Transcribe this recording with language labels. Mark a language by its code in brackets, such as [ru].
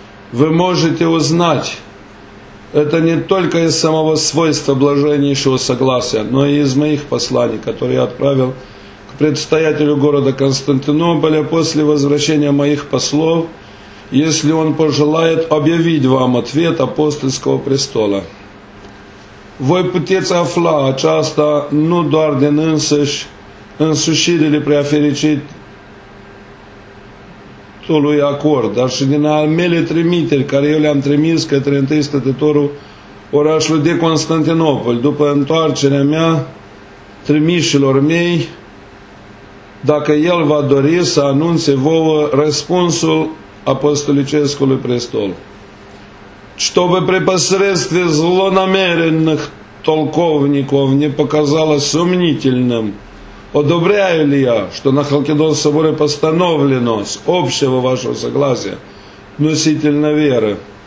[ro] Vă [ru] можете узнать. Это не только из самого свойства блаженнейшего согласия, но и из моих посланий, которые я отправил к предстоятелю города Константинополя после возвращения моих послов, если он пожелает объявить вам ответ апостольского престола. [ro] Voi puteți afla aceasta nu doar din însușirile preafericitului acord, dar și din al mele trimiteri care eu le-am trimis către întâi stătătorul orașului de Constantinopol, după întoarcerea mea trimișilor mei, dacă el va dori să anunțe vouă răspunsul apostolicescului prestol. [ru] Чтобы при посредстве злонамеренных толковников не показалось сомнительным, одобряю ли я, что на Халкидон соборе постановлено с общего вашего согласия относительно веры,